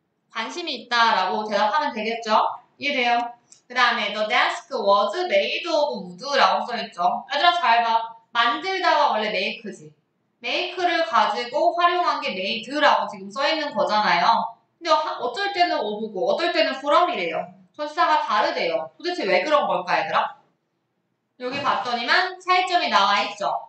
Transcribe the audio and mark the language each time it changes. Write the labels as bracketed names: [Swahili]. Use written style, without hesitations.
[Korean] 관심이 있다라고 대답하면 되겠죠? 이해돼요? [English] 그 다음에 The desk was made of wood라고 [Korean] 써있죠. 얘들아 잘 봐. 만들다가 원래 make지. make를 가지고 활용한 게 made라고 지금 써있는 거잖아요. 근데 어떨 때는 of고 어떨 때는 from이래요. 전치사가 다르대요. 도대체 왜 그런 걸까 얘들아? 여기 봤더니만 차이점이 나와있죠.